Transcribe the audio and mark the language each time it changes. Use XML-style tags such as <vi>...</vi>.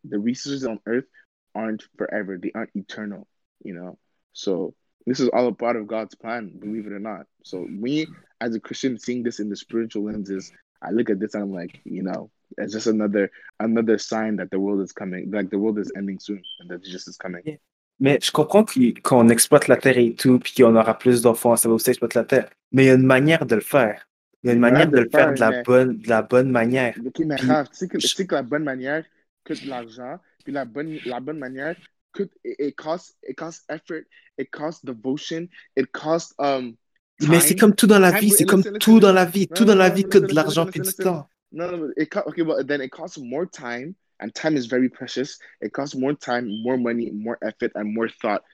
<en>The resources on earth aren't forever. They aren't eternal, you know. So this is all a part of God's plan, believe it or not. So me, as a Christian, seeing this in the spiritual lenses, I look at this and I'm like, you know, it's just another sign that the world is coming, like the world is ending soon, and that Jesus is coming. Yeah.</en> <fr>Mais je comprends qu'on exploite la terre et tout, puis qu'on aura plus d'enfants, ça va aussi exploiter la terre. Mais il y a une manière de le faire. Il y a une manière de le faire de la bonne manière. Ok, mais Raph, tu sais que la bonne manière coûte de l'argent, puis la bonne manière...</fr> <en>It costs effort, it costs devotion, it costs time.</en> <fr>Mais c'est comme tout dans la vie, c'est comme tout dans la vie. Tout dans la vie coûte de l'argent puis du temps.</fr> <en>Then it costs more time, and time is very precious. It costs more time, more money, more effort, and more thought.</en>